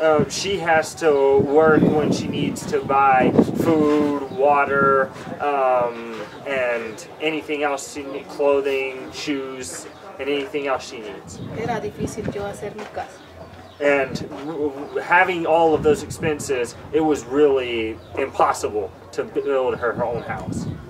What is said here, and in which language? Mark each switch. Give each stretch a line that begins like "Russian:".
English: She has to work when she needs to buy food, water, and anything else, clothing, shoes, and anything else she needs.
Spanish: Era difícil yo hacer mi casa.
English: And having all of those expenses, it was really impossible to build her own house.